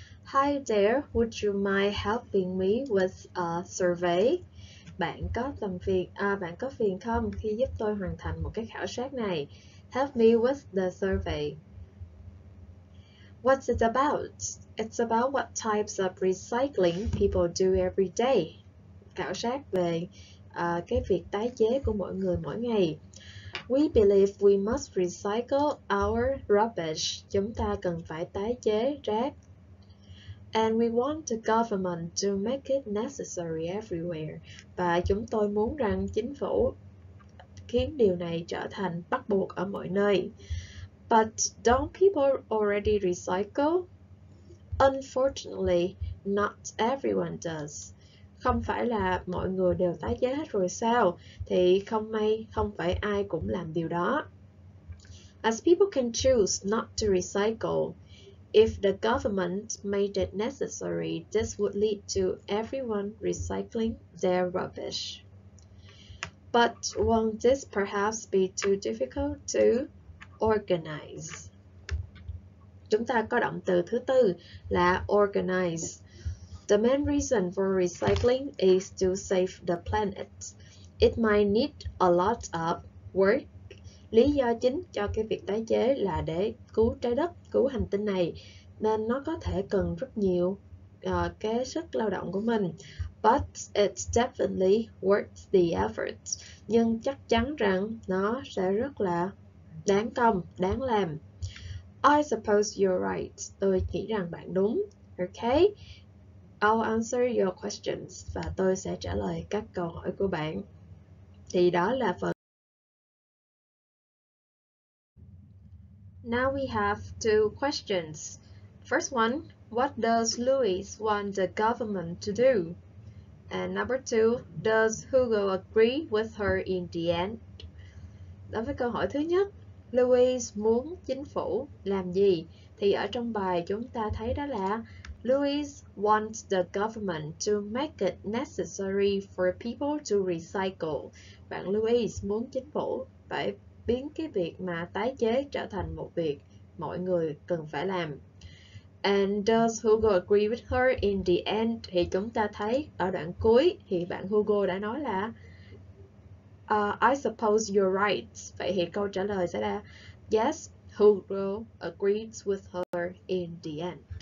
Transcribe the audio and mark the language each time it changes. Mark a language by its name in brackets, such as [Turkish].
[English] Hi there, would you mind helping me with a survey? [Vietnamese] Bạn có làm phiền bạn có phiền không khi giúp tôi hoàn thành một cái khảo sát này? [English] Help me with the survey. What's it about? It's about what types of recycling people do every day. [Vietnamese] Khảo sát về cái việc tái chế của mọi người mỗi ngày. [English] We believe we must recycle our rubbish. [Vietnamese] Chúng ta cần phải tái chế rác. [English] And we want the government to make it necessary everywhere. [Vietnamese] Và chúng tôi muốn rằng chính phủ khiến điều này trở thành bắt buộc ở mọi nơi. [English] But don't people already recycle? Unfortunately, not everyone does. [Vietnamese] Không phải là mọi người đều tái chế hết rồi sao? Thì không may, không phải ai cũng làm điều đó. [English] As people can choose not to recycle, if the government made it necessary, this would lead to everyone recycling their rubbish. But won't this perhaps be too difficult to organize? [Vietnamese] Chúng ta có động từ thứ tư là organize. [English] The main reason for recycling is to save the planet. It might need a lot of work, [Vietnamese] Lý do chính cho cái việc tái chế là để cứu trái đất, cứu hành tinh này, nên nó có thể cần rất nhiều cái sức lao động của mình. [English] But it's definitely worth the effort. [Vietnamese] Nhưng chắc chắn rằng nó sẽ rất là đáng công, đáng làm. [English] I suppose you're right. [Vietnamese] Tôi nghĩ rằng bạn đúng. [English] Okay, I'll answer your questions. [Vietnamese] Và tôi sẽ trả lời các câu hỏi của bạn. Thì đó là phần. [English] Now we have two questions. First one, what does Louis want the government to do? And number two, does Hugo agree with her in the end? [Vietnamese] Đối với câu hỏi thứ nhất, Louis muốn chính phủ làm gì? Thì ở trong bài chúng ta thấy đó là [English] Louis wants the government to make it necessary for people to recycle. [Vietnamese] Bạn Louis muốn chính phủ phải biến cái việc mà tái chế trở thành một việc mọi người cần phải làm. [English] And does Hugo agree with her in the end? [Vietnamese] Thì chúng ta thấy ở đoạn cuối thì bạn Hugo đã nói là [English] I suppose you're right. [Vietnamese] Vậy thì câu trả lời sẽ là [English] yes, Hugo agrees with her in the end.